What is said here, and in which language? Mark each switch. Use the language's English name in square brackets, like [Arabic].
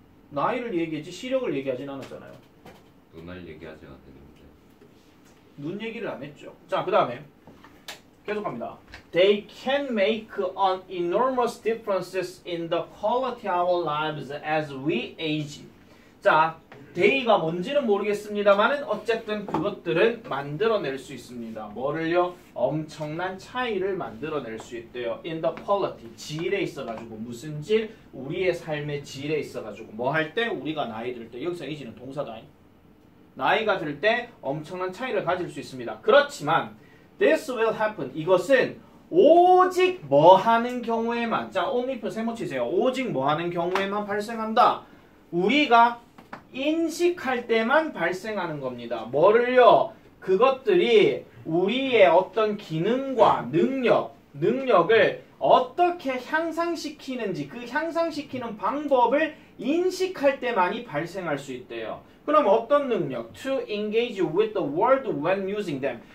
[Korean] 나이를 얘기했지 시력을 얘기하진 않았잖아요. 눈을 얘기하진 않았는데. 눈 얘기를 안 했죠. 자, 그 다음에 계속 갑니다. [English] They can make an enormous difference in the quality of our lives as we age. [Korean] 자, day가 뭔지는 모르겠습니다만은 어쨌든 그것들은 만들어낼 수 있습니다. 뭐를요? 엄청난 차이를 만들어낼 수 있대요. [English] In the quality, [Korean] 질에 있어가지고 무슨 질? 우리의 삶의 질에 있어가지고 뭐 할 때? 우리가 나이 들 때. 여기서 age는 동사다. 나이가 들 때 엄청난 차이를 가질 수 있습니다. 그렇지만 [English] this will happen. [Korean] 이것은 오직 뭐 하는 경우에만 자, [English] only if [Korean] 세모 치세요. 오직 뭐 하는 경우에만 발생한다. 우리가 인식할 때만 발생하는 겁니다. 뭐를요? 그것들이 우리의 어떤 기능과 능력을 어떻게 향상시키는지 그 향상시키는 방법을 인식할 때만이 발생할 수 있대요. 그럼 어떤 능력? [English] To engage with the world when using them.